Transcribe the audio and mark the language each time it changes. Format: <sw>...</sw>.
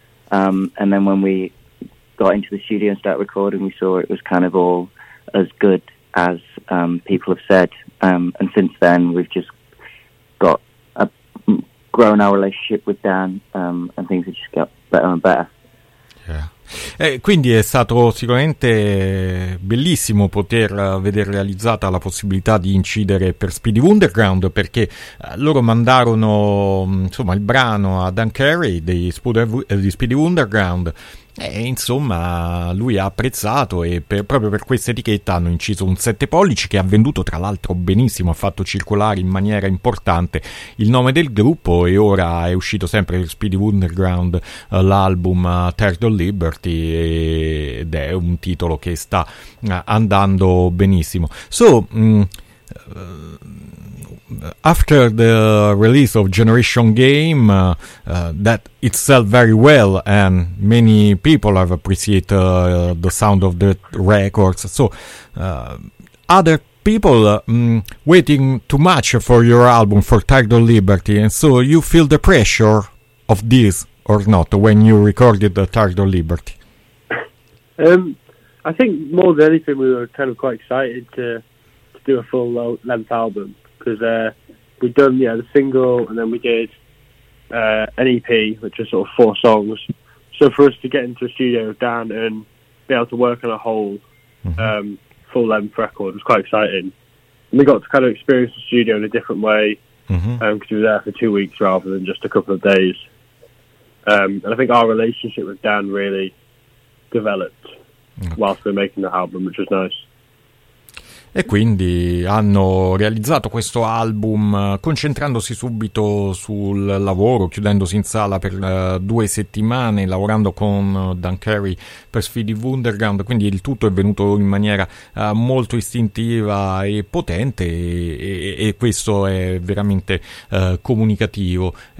<en>And then when we got into the studio and started recording, we saw it was kind of all as good as people have said. And since then, we've just got grown our relationship with Dan, and things have just got better and better. Yeah.</en> <it>Quindi è stato sicuramente bellissimo poter vedere realizzata la possibilità di incidere per Speedy Wonderground, perché loro mandarono insomma il brano a Dan Carey di Speedy Wonderground e insomma lui ha apprezzato, e proprio per questa etichetta hanno inciso un 7 pollici che ha venduto tra l'altro benissimo, ha fatto circolare in maniera importante il nome del gruppo, e ora è uscito sempre per Speedy Wonderground l'album Turtle Liber, ed è un titolo che sta andando benissimo.</it> <en>So, after the release of Generation Game, that it sells very well, and many people have appreciated the sound of the records. So, other people waiting too much for your album, for Tidal Liberty, and so you feel the pressure of this, or not, when you recorded the Tired of Liberty? I think more than anything, we were kind of quite excited to do a full length album, because we'd done the single, and then we did an EP, which was sort of four songs. So for us to get into a studio with Dan and be able to work on a whole full length record was quite exciting. And we got to kind of experience the studio in a different way, because we were there for 2 weeks rather than just a couple of days. And I think our relationship with Dan really developed whilst we were making the album, which was nice.</en> <it>E quindi hanno realizzato questo album concentrandosi subito sul lavoro, chiudendosi in sala per due settimane, lavorando con Dan Carey per Speedy Wonderground. Quindi il tutto è venuto in maniera molto istintiva e potente, e questo è veramente comunicativo.</it>